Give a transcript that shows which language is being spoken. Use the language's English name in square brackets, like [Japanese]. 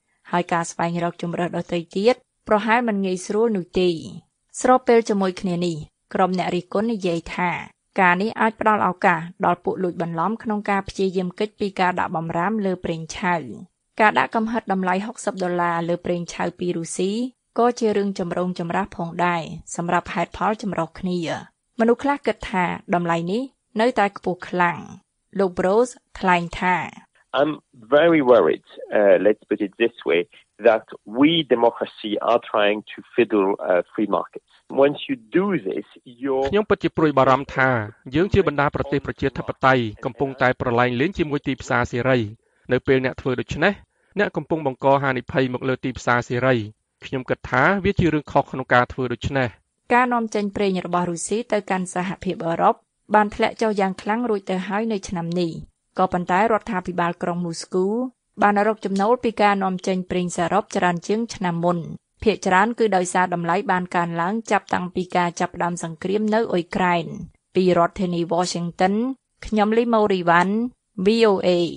[Khmer] ហើយការស្វែងរកជម្រើសដទៃទៀតប្រហែលមិនងាយស្រួលនោះទេស្របពេលជាមួយគ្នានេះក្រុមអ្នករិះគន់និយាយថាការនេះអាចផ្តល់ឱកាសដល់ពួកលួចបន្លំក្នុងការព្យាយាមគេចពីការដាក់បំរាមលើប្រេងឆៅការដាក់កំហិតតម្លៃ60ដុល្លារលើប្រេងឆៅពីរុស្ស៊ីក៏ជារឿងចម្រូងចម្រាសផងដែរសម្រាប់ហេតុផលចម្រុះគ្នាមនុស្សខ្លះគិតថាតម្លៃនេះនៅតែខ្ពស់ខ្លាំងលោក Prose ថ្លែងថា [English] I'm very worried, let's put it this way, that we democracy are trying to fiddle free markets. Once you do this, you're... [Khmer] ខ្ញុំពិតជាព្រួយបារម្ភថាយើងជាបណ្ដាប្រទេសប្រជាធិបតេយ្យកំពុងតែប្រឡែងលេងជាមួយទីផ្សារសេរីនៅពេលអ្នកធ្វើដូច្នេះអ្នកកំពុងបង្កហានិភ័យមកលើទីផ្សារសេរីខ្ញុំគិតថាវាជារឿងខុសក្នុងការធ្វើដូច្នេះ ការនាំចេញប្រេងរបស់រុស្ស៊ីទៅកាន់សហភាពអឺរ៉ុបបានធ្លាក់ចុះយ៉ាងខ្លាំងរួចទៅហើយនៅឆ្នាំនេះក៏ប៉ុន្តែរដ្ឋាភិបាលក្រុងមូស្គូបានរកចំណូលពីការនាំចេញប្រេងសរុបច្រើនជាងឆ្នាំមុនភាគច្រើនគឺដោយសារតម្លៃបានកើនឡើងចាប់តាំងពីការចាប់ផ្ដើមសង្គ្រាមនៅអ៊ុយក្រែនពីរដ្ឋធានី Washington ខ្ញុំលីម៉ូរីវ៉ាន់ VOA